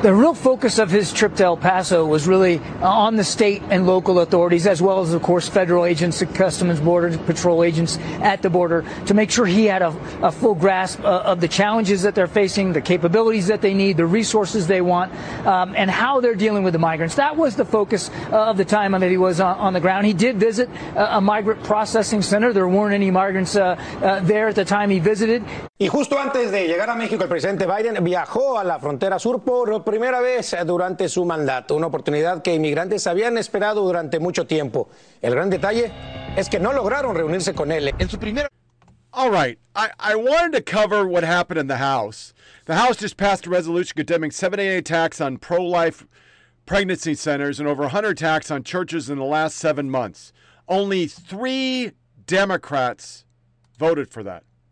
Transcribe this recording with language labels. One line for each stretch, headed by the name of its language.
English: The real focus of his trip to El Paso was really on the state and local authorities, as well as, of course, federal agents, the Customs Border Patrol agents at the border, to make sure he had a full grasp of the challenges that they're facing, the capabilities that they need, the resources they want, and how they're dealing with the migrants. That was the focus of the time that he was on the ground. He did visit a migrant processing center. There weren't any migrants there at the time he visited.
Spanish: Y justo antes de llegar a México, el presidente Biden viajó a la frontera sur por primera vez durante su mandato, una oportunidad que inmigrantes habían esperado durante mucho tiempo. El gran detalle es que no lograron reunirse con él en su primera.
English: All right, I wanted to cover what happened in the House. The House just passed a resolution condemning 7-8 attacks on pro-life pregnancy centers and over 100 attacks on churches in the last 7 months. Only 3 Democrats voted for that.